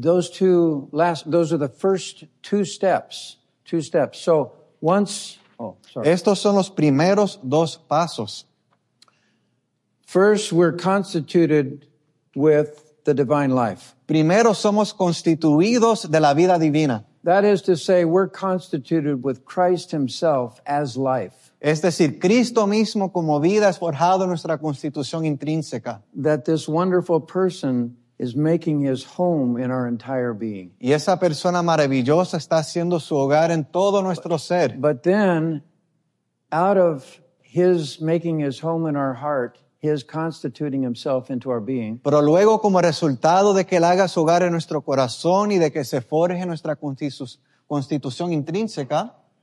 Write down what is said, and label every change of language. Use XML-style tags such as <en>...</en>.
<en>Those are the first two steps. So, once...</en> <es>Estos son los primeros dos pasos.</es> <en>First, we're constituted with the divine life.</en> <es>Primero somos constituidos de la vida divina.</es> <en>That is to say, we're constituted with Christ himself as life.</en> <es>Es decir, Cristo mismo como vida es forjado en nuestra constitución intrínseca.</es> <en>That this wonderful person is making his home in our entire being.</en> <es>Y esa persona maravillosa está haciendo su hogar en todo nuestro ser.</es> <en>But then, out of his making his home in our heart, his constituting himself into our being.</en> <es>Pero luego, como resultado de que él haga su hogar en nuestro corazón y de que se forje nuestra constitución intrínseca,</es>